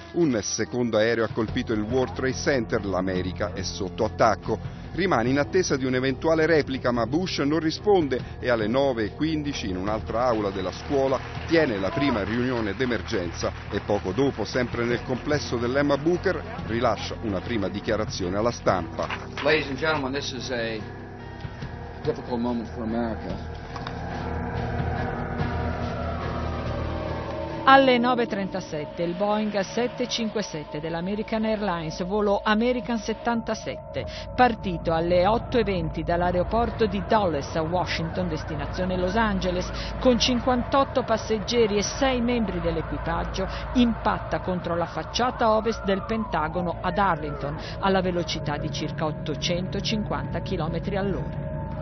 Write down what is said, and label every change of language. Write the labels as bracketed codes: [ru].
[it] Un secondo aereo ha colpito il World Trade Center, l'America è sotto attacco. Rimane in attesa di un'eventuale replica, ma Bush non risponde e alle 9.15 in un'altra aula della scuola tiene la prima riunione d'emergenza e poco dopo, sempre nel complesso dell'Emma Booker, rilascia una prima dichiarazione alla stampa. [en] Ladies and gentlemen, this is a difficult moment for America. [it] Alle 9.37 il Boeing 757 dell'American Airlines, volo American 77, partito alle 8.20 dall'aeroporto di Dulles a Washington, destinazione Los Angeles, con 58 passeggeri e 6 membri dell'equipaggio, impatta contro la facciata ovest del Pentagono ad Arlington, alla velocità di circa 850 km all'ora.